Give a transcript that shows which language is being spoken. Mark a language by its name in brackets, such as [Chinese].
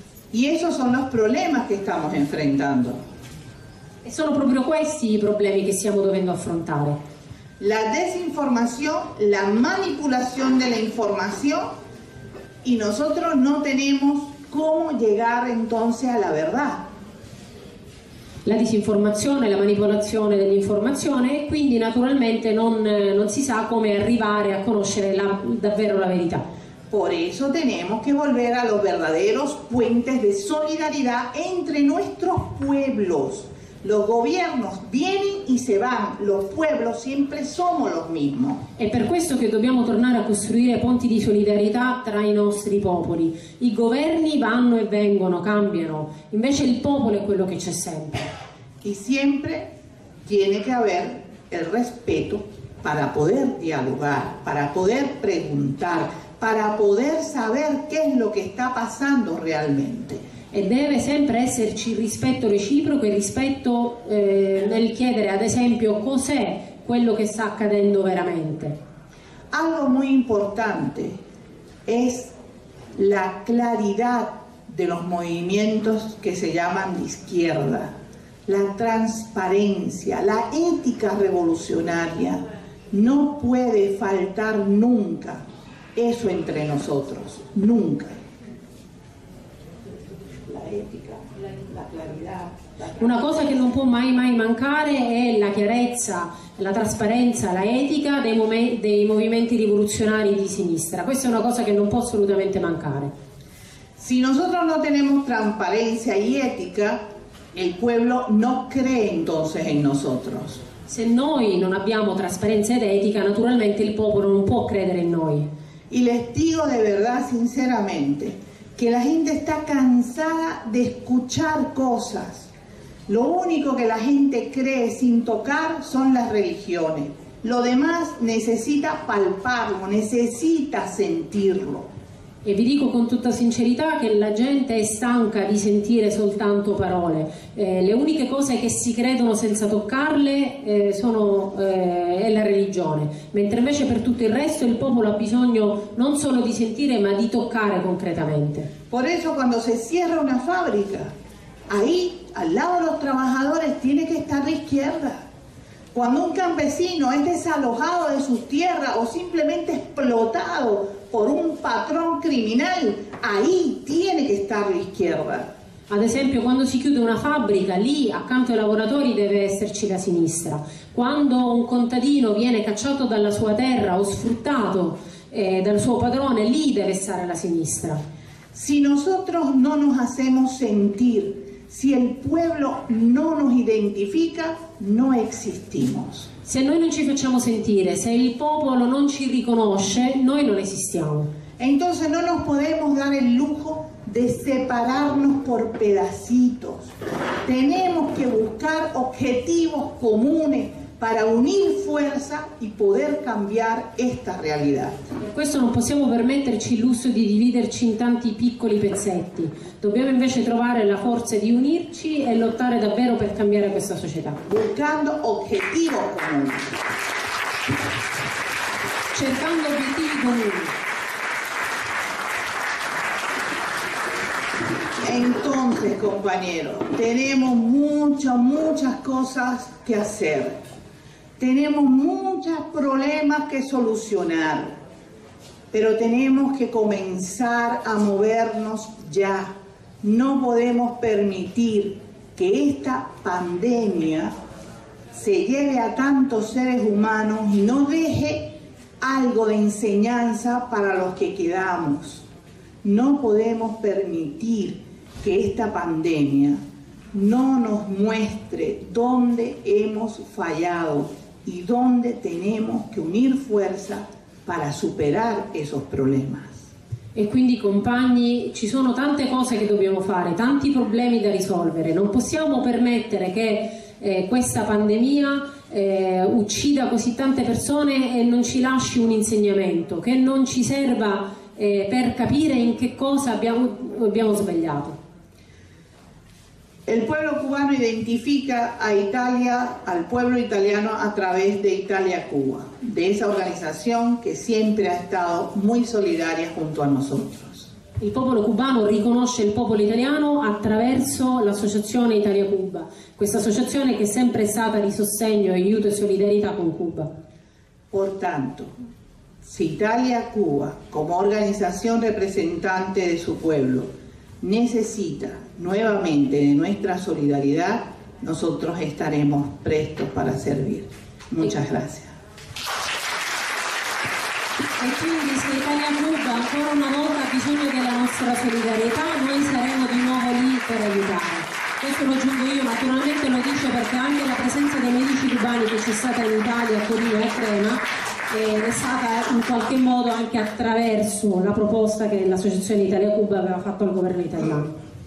[Spanish] Y esos son los problemas que estamos enfrentando. [Italian] E sono proprio questi i problemi che stiamo dovendo affrontare. [Spanish] La desinformación, la manipulación de la información, y nosotros no tenemos cómo llegar entonces a la verdad. [Italian] La disinformazione, la manipolazione dell'informazione, e quindi naturalmente non si sa come arrivare a conoscere davvero la verità. [Spanish] Por eso tenemos que volver a los verdaderos puentes de solidaridad entre nuestros pueblos. Los gobiernos vienen y se van, los pueblos siempre somos los mismos. [Italian] È per questo che dobbiamo tornare a costruire ponti di solidarietà tra i nostri popoli. I governi vanno e vengono, cambiano, invece il popolo è quello che c'è sempre. [Spanish] Y siempre tiene que haber el respeto para poder dialogar, para poder preguntar, para poder saber qué es lo que está pasando realmente. [Italian] E deve sempre esserci rispetto reciproco e rispetto nel chiedere, ad esempio, cos'è quello che sta accadendo veramente. [Spanish] Algo muy importante es la claridad de los movimientos que se llaman de izquierda, la transparencia, la ética revolucionaria no puede faltar nunca eso entre nosotros, nunca. [Italian] Una cosa che non può mai mancare è la chiarezza, la trasparenza, la etica dei movimenti rivoluzionari di sinistra. Questa è una cosa che non può assolutamente mancare. Se noi non abbiamo trasparenza e etica, il [Spanish] pueblo [Italian] non crede [Spanish] entonces [Italian] in noi. Se noi non abbiamo trasparenza ed etica, naturalmente il popolo non può credere in noi. E le dico di verità, sinceramente, [Spanish] que la gente está cansada de escuchar cosas. Lo único que la gente cree sin tocar son las religiones. Lo demás necesita palparlo, necesita sentirlo. [Italian] E vi dico con tutta sincerità che la gente è stanca di sentire soltanto parole. Le uniche cose che si credono senza toccarle è la religione. Mentre invece per tutto il resto il popolo ha bisogno non solo di sentire ma di toccare concretamente. [Spanish] Por eso cuando se cierra una fábrica, ahí al lado de los trabajadores tiene que estar la izquierda. Cuando un campesino es desalojado de sus tierras o simplemente explotado por un patrón criminal, ahí tiene que estar la izquierda. [Italian] Ad esempio, quando si chiude una fabbrica, lì accanto ai lavoratori deve esserci la sinistra. Quando un contadino viene cacciato dalla sua terra o sfruttato dal suo padrone, lì deve stare la sinistra. [Spanish] Si nosotros no nos hacemos sentir, si el pueblo no nos identifica, no existimos. [Italian] Se noi non ci facciamo sentire, se il popolo non ci riconosce, noi non esistiamo. [Spanish] Entonces no nos podemos dar el lujo de separarnos por pedacitos. Tenemos que buscar objetivos comunes para unir fuerza y poder cambiar esta realidad. [Italian] Per questo non possiamo permetterci il lusso di dividerci in tanti piccoli pezzetti. Dobbiamo invece trovare la forza di unirci e lottare davvero per cambiare questa società. [Spanish] Buscando [Italian] obiettivi comuni. Cercando obiettivi comuni. [Spanish] Entonces, compañeros, tenemos muchas cosas que hacer. Tenemos muchos problemas que solucionar, pero tenemos que comenzar a movernos ya. No podemos permitir que esta pandemia se lleve a tantos seres humanos y no deje algo de enseñanza para los que quedamos. No podemos permitir que esta pandemia no nos muestre dónde hemos fallado y dónde tenemos que unir fuerza para superar esos problemas. [Italian] E quindi, compagni, ci sono tante cose che dobbiamo fare, tanti problemi da risolvere. Non possiamo permettere che questa pandemia uccida così tante persone e non ci lasci un insegnamento, che non ci serva per capire in che cosa abbiamo sbagliato. [Spanish] El pueblo cubano identifica a Italia, al pueblo italiano a través de Italia Cuba, de esa organización que siempre ha estado muy solidaria junto a nosotros. [Italian] Il popolo cubano riconosce il popolo italiano attraverso l'associazione Italia Cuba, questa associazione che è sempre stata di sostegno, aiuto e solidarietà con Cuba. [Spanish] Por tanto, si Italia Cuba, como organización representante de su pueblo, necesita nuevamente de nuestra solidaridad, nosotros estaremos prestos para servir. Muchas gracias. [Italian] E quindi se Italia Cuba ancora una volta ha bisogno della nostra solidarietà, noi saremo di nuovo lì per aiutare. Questo lo aggiungo io, naturalmente lo dico perché anche la presenza dei medici cubani che c'è stata in Italia, a Torino e a Crema, è stata in qualche modo anche attraverso la proposta che l'associazione Italia Cuba aveva fatto al governo italiano.